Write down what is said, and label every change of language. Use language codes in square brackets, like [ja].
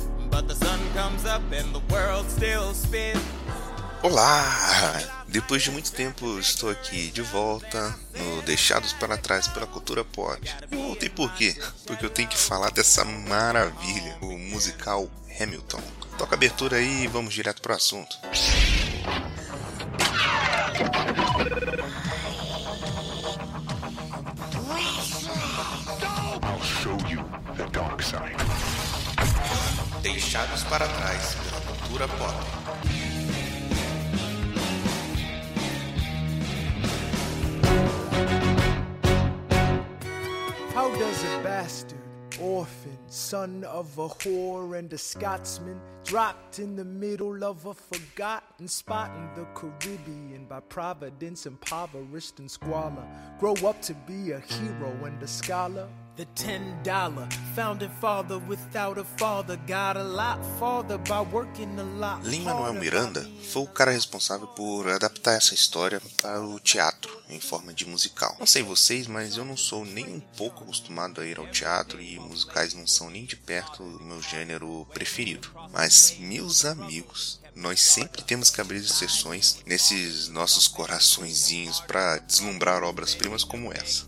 [en] But the sun comes up and the world still spins. [pt] Olá! Depois de muito tempo, estou aqui de volta no Deixados para Trás pela Cultura Pop. E voltei por quê? Porque eu tenho que falar dessa maravilha, o musical Hamilton. Toca a abertura aí e vamos direto pro assunto. [en] I'll show you the dark side. [pt] Deixados para Trás pela Cultura Pop. [en] How does a bastard, orphan, son of a whore and a Scotsman, dropped in the middle of a forgotten spot in the Caribbean by providence, impoverished and squalor, grow up to be a hero and a scholar? The $10 founding father without a father got a lot farther by working a lot. [pt] Lin-Manuel Miranda foi o cara responsável por adaptar essa história para o teatro em forma de musical. Não sei vocês, mas eu não sou nem um pouco acostumado a ir ao teatro e musicais não são nem de perto o meu gênero preferido. Mas, meus amigos, nós sempre temos que abrir exceções nesses nossos coraçõezinhos para deslumbrar obras-primas como essa.